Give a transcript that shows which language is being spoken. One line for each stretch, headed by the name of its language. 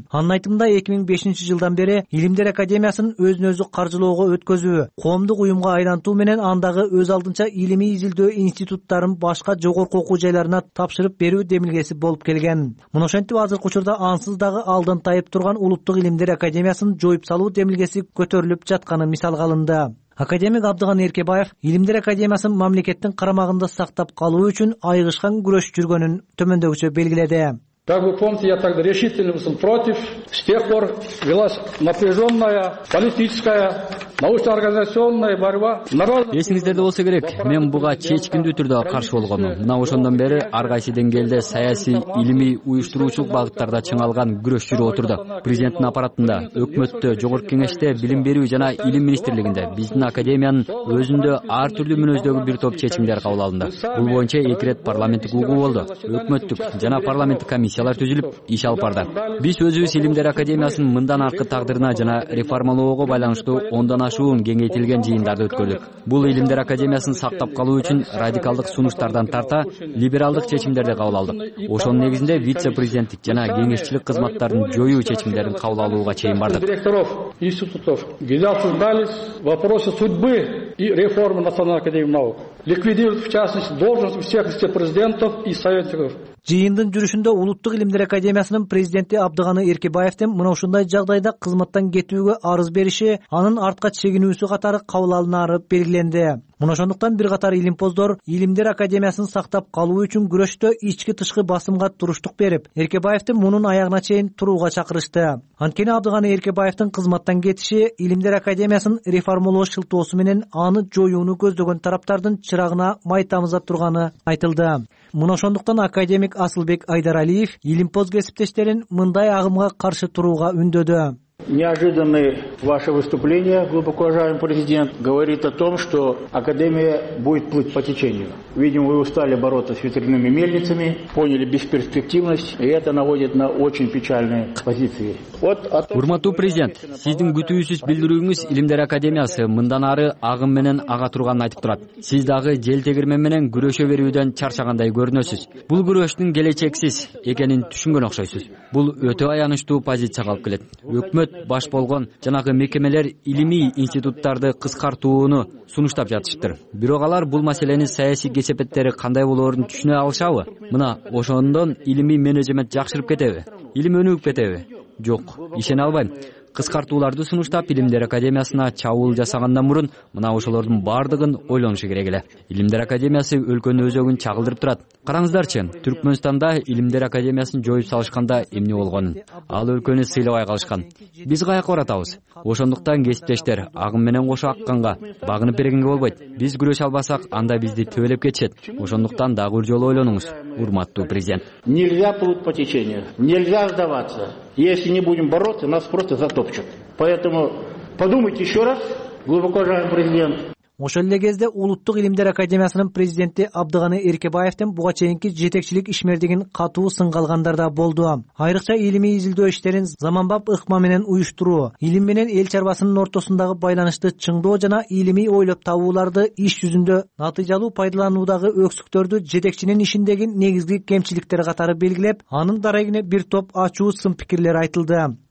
Kyrgyz: Анын айтымында 2005 жылдан бери Илимдер Академиясын өзүн өзү каржылоого өткөзүү, коомдук уюмга айлантуу менен андагы өз алдынча илимий изилдөө институттарын башка жогорку окуу жайларына тапшырып берүү демилгеси болуп келген. Муну ошентип, азыркы учурда ансыз дагы алдын тайып турган Улуттук Илимдер Академиясын жоюп салуу демилгеси көтөрүлүп жатканы мисалга алынды. Академик Абдыганы Эркебаев Илимдер Академиясын мамлекеттин карамагында сактап калуу үчүн айгышкан күрөш жүргөнүн төмөндөгүчө белгиледи.
Russian: Как вы помните, я тогда решительно был против. С тех пор велась напряженная политическая, научно-организационная борьба.
Kyrgyz: Эсиңиздерде болсо керек, мен буга чечкиндүү түрдө каршы болгонмун. Мына ошондон бери ар кайсы деңгээлде саясий, илимий, уюштуруучулук багыттарда чыңалган күрөш жүрүп отурду. Президенттин аппаратында, өкмөттө, жогорку кеңеште, билим берүү жана илим министрлигинде, биздин академиянын өзүндө ар түрдүү мүнөздөгү бир топ чечимдер кабыл алынды. Бул боюнча эки рет парламенттик угуу болду. Өкмөттүк жана парламенттик комиссия комиссиялар түзүлүп, иш алып барды. Биз өзүбүз Илимдер Академиясынын мындан аркы тагдырына жана реформалоого байланыштуу ондон ашуун кеңейтилген жыйындарды өткөрдүк. Бул Илимдер Академиясын сактап калуу үчүн радикалдык сунуштардан тарта либералдык чечимдерди кабыл алдык. Ошонун негизинде вице-президенттик жана кеңешчилик кызматтарын жоюу чечимдерин кабыл алууга чейин бардык.
Russian: Директоров институтов где обсуждались вопросы судьбы и реформы Национальной академии наук. Ликвидировать, в частности, должность всех вице-президентов и советников.
Kyrgyz: Жыйындын жүрүшүндө Улуттук Илимдер Академиясынын президенти Абдыганы Эркебаевдин мына ушундай жагдайда кызматтан кетүүгө арыз бериши, анын артка чегинүүсү катары кабыл алынары белгиленди. Мына ошондуктан бир катар илимпоздор Илимдер Академиясын сактап калуу үчүн күрөштө ички тышкы басымга туруштук берип, Эркебаевди мунун аягына чейин турууга чакырышты. Анткени Абдыганы Эркебаевдин кызматтан кетиши Илимдер Академиясын реформалоо шылтоосу менен аны жоюуну көздөгөн тараптардын чырагына май тамыза турганы айтылды. Мына ошондуктан академик Асылбек Айдаралиев илимпоз кесиптештерин мындай агымга каршы турууга үндөдү.
Russian: Неожиданное ваше выступление, глубоко уважаемый президент, говорит о том, что Академия будет плыть по течению. Видимо, вы устали бороться с ветряными мельницами, поняли бесперспективность, и это наводит на очень печальные позиции.
Kyrgyz: Урматтуу президент, сиздин күтүүсүз билдирүүңүз Илимдер Академиясы мындан ары агым менен ага турганын айтып турат. Сиз дагы жел тегирмен менен күрөшө берүүдөн чарчагандай көрүнөсүз. Бул күрөштүн келечексиз экенин түшүнгөн окшойсуз. Бул өтө аянычтуу позицияга алып келет. Өкмөт баш болгон жанагы мекемелер илимий институттарды кыскартууну сунуштап жатышыптыр. Бирок алар бул маселени саясий кесепеттери кандай болоорун түшүнө алышабы? Мына ошондон илимий менеджмент жакшырып кетеби? Илим өнүгүп кетеби? Жок, ишене албайм. Кыскартууларды сунуштап Илимдер Академиясына чабуул жасагандан мурун мына ошолордун баардыгын ойлонушу керек эле. Илимдер Академиясы өлкөнүн өзөгүн чагылдырып турат. Караңыздарчы, Түркмөнстанда Илимдер Академиясын жоюп салышканда эмне болгонун? Ал өлкөнү сыйлабай калышкан. Биз каяка баратабыз? Ошондуктан кесиптештер, агым менен кошо акканга багынып бергенге болбойт. Биз күрөшө албасак, анда бизди төбөлөп кетишет. Ошондуктан дагы бир жолу ойлонуңуз, урматтуу президент.
Russian: Нельзя плыть по течению, нельзя сдаваться. Если не будем бороться, нас просто затопчут. Поэтому подумайте еще раз, глубоко уважаемый президент.
Kyrgyz: Ошол эле кезде Улуттук Илимдер Академиясынын президенти Абдыганы Эркебаевдин буга чейинки жетекчилик ишмердигин катуу сынга алгандар да болду. Айрыкча илимий изилдөө иштерин заманбап ыкма менен уюштуруу, илим менен эл чарбасынын ортосундагы байланышты чыңдоо жана илимий ойлоп табууларды иш жүзүндө натыйжалуу пайдалануудагы өксүктөрдү жетекчинин ишиндеги негизги кемчиликтер катары белгилеп, анын дарегине бир топ ачуу сын пикирлер айтылды.